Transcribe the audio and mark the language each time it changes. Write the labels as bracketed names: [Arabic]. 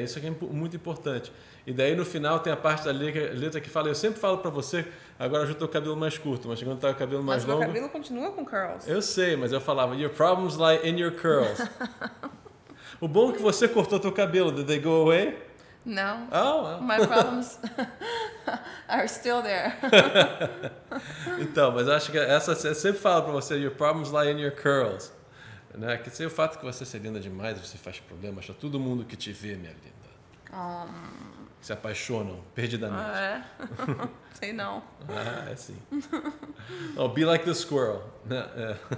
[Portuguese] Isso aqui é muito importante. E daí no final tem a parte da letra que fala, eu sempre falo pra você, agora eu já tô com o cabelo mais curto, mas quando tá com o cabelo mais longo... Mas o meu cabelo continua com curls. Eu sei, mas eu falava, [English] your problems lie in your curls. [Portuguese] O bom é que você cortou teu cabelo, [English] did they go away? [Portuguese] Não. [English] Oh, well. My problems are still there. [Portuguese] Então, mas acho que essa, eu sempre falo pra você, [English] your problems lie in your curls. [Portuguese] Né? Quer dizer, o fato que você ser linda demais, você faz problemas para todo mundo que te vê, minha linda. Se apaixonam perdidamente. Ah, é? Sei não. Ah, é sim. [English] Oh, be like the squirrel. [Portuguese] Né? É.